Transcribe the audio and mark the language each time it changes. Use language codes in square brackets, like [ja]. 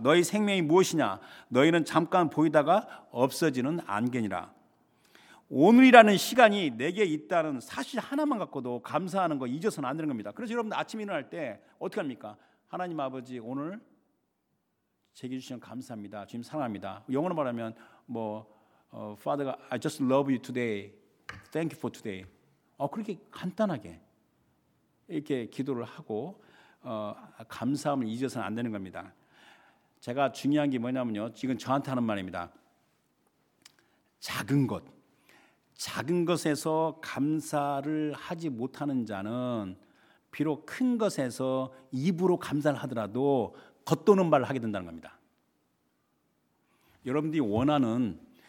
[ko] 너희 생명이 무엇이냐. 너희는 잠깐 보이다가 없어지는 안개니라. 오늘이라는 시간이 내게 있다는 사실 하나만 갖고도 감사하는 거 잊어서는 안 되는 겁니다. 그래서 여러분들 아침에 일어날 때 어떻게 합니까? 하나님 아버지 오늘 제게 주신 감사합니다. 주님 사랑합니다. 영어로 말하면 뭐 [en] Father, I just love you today. Thank you for today. [ko] 그렇게 간단하게 이렇게 기도를 하고 감사함을 잊어서는 안 되는 겁니다. 제가 중요한 게 뭐냐면요, 지금 저한테 하는 말입니다. 작은 것에서 감사를 하지 못하는 자는 비록 큰 것에서 입으로 감사를 하더라도 겉도는 말을 하게 된다는 겁니다. 여러분들이 원하는